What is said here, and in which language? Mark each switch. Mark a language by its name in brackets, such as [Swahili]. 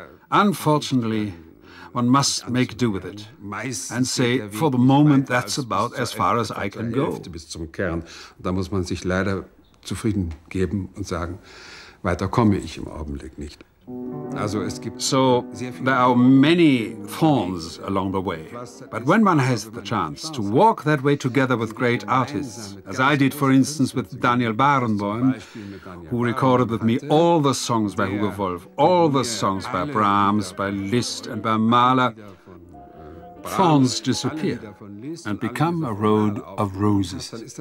[English] Unfortunately, one must make do with it and say, for the moment, that's about as far as I can go. [German] Bis zum Kern. Da muss man sich leider zufrieden geben und sagen, weiter komme ich im Augenblick nicht. [English] So there are many thorns along the way. But when one has the chance to walk that way together with great artists, as I did, for instance, with Daniel Barenboim, who recorded with me all the songs by Hugo Wolf, all the songs by Brahms, by Liszt and by Mahler, thorns disappear and become a road of roses.